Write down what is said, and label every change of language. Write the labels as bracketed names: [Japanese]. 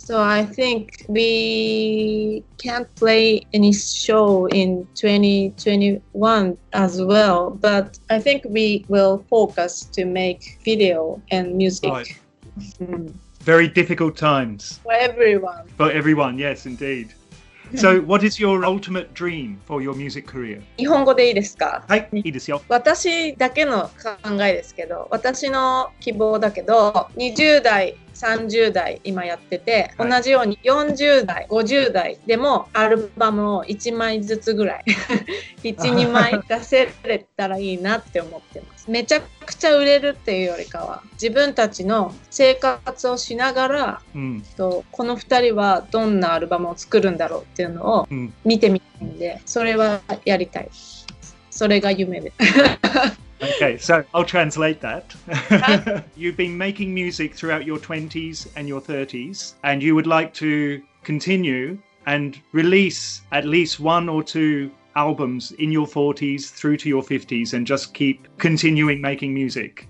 [English] So I think we can't play any show in 2021 as well. But I think we will focus to make video and music. Very difficult times. For everyone. For everyone, yes, indeed. So what is your ultimate dream for your music career? [Japanese] 日本語でいいですか？はい、いいですよ。私だけの考えですけど、私の希望だけど、20代、30代今やってて、同じように40代、50代でもアルバムを1枚ずつぐらい、1、2枚出せれたらいいなって思ってます。めちゃくちゃ売れるっていうよりかは、自分たちの生活をしながら、この2人はどんなアルバムを作るんだろうっていうのを見てみたいんで、それはやりたい。それが夢です。 [English] Okay, so I'll translate that. You've been making music throughout your 20s and your 30s, and you would like to continue and release at least one or two albums in your 40s through to your 50s and just keep continuing making music.